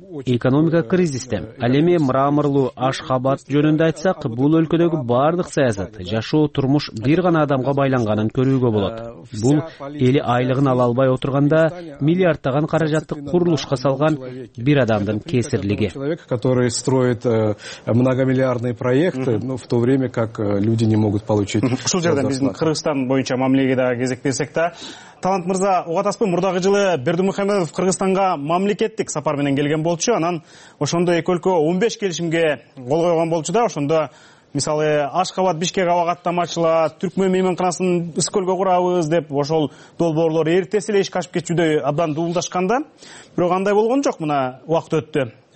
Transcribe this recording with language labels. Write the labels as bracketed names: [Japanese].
[Kyrgyz] Экономика кризисте. Ал эми мраморлуу Ашхабад жөнүндө айтсак, бул өлкөдөгү баардык саясат, жашоо, турмуш бир гана адамга байланганын көрүүгө болот. Бул эли айлыгын ала албай отурганда миллиардтаган каражатты курулушка салган бир адамдын кесирлиги. [Russian] Человек, который строит многомиллиардные проекты, в то время как люди не могут получить. [Kyrgyz] Ушул жерден биздин Кыргызстан боюнча мамлеге дагы кезек берсек да, Талант мырза, угатасызбы, мурдагы жылы Бердимухамедов Кыргызстанга мамлекеттик сапар менен келген болчу, анан ошондо эки өлкө 15 келишимге кол койгон болчу да, ошондо мисалы Ашхабад Бишкек аба каттамачыла, Түркмөн мейманканасын Ысык-Көлгө курабыз деп ошол долбоорлор эртеси эле ишке ашып кетчүдөй абдан дуулдашканда, бирок андай болгон жок, мына убакыт өттү.